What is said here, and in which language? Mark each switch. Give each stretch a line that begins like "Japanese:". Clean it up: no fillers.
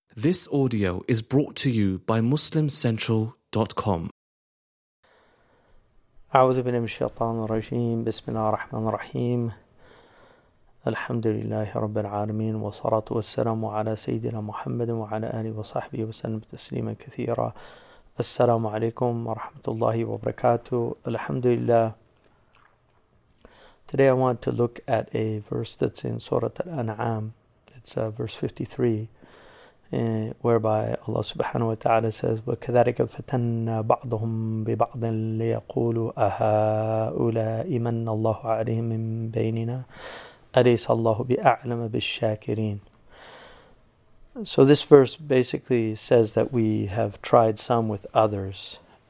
English: This audio is brought to you by MuslimCentral.com.
Arabic: أعوذ بالله من الشيطان الرجيم بسم الله الرحمن الرحيم الحمد لله رب العالمين والصلاة والسلام على سيدنا محمد وعلى آله وصحبه وسلم تسليما كثيرا. السلام عليكم ورحمة الله وبركاته. الحمد لله.
English: Today I want to look at a verse that's in Surah Al-An'am. It's verse 53. Whereby Allah subhanahu wa ta'ala says,
Arabic: وَكَذَلِكَ فَتَنَّ بَعْضُهُمْ بِبَعْضٍ لِيَقُولُوا أَهَا أُولَئِ مَنَّ اللَّهُ عَلَيْهِمْ مِنْ بَيْنِنَا أَلَيْسَ اللَّهُ بِأَعْلَمَ بِالشَّاكِرِينَ.
English: So this verse basically says that we have tried some with others.